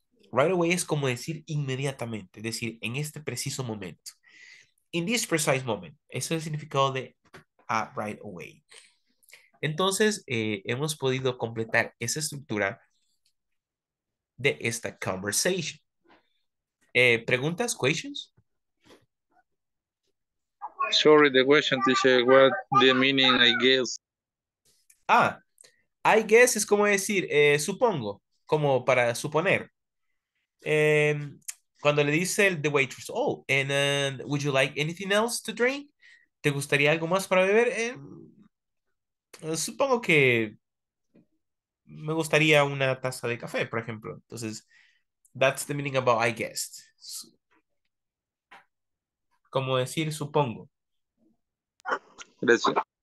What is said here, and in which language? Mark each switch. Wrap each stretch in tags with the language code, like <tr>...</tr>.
<en>Right away</en> <es>es como decir inmediatamente, es decir, en este preciso momento.</es> <en>In this precise moment.</en> <es>Eso es el significado de</es> <en>right away.</en> <es>Entonces, hemos podido completar esa estructura de esta conversation. ¿Preguntas?</es> <en>¿Questions? Sorry, the question teacher, what the meaning, I guess. I guess</en> <es>es como decir, supongo, como para suponer. Cuando le dice</es> <en>the waitress, would you like anything else to drink?</en> <es>¿Te gustaría algo más para beber? Supongo que me gustaría una taza de café, por ejemplo. Entonces,</es> <en>that's the meaning about I guess.</en> <es>Como decir, supongo. Gracias.</es>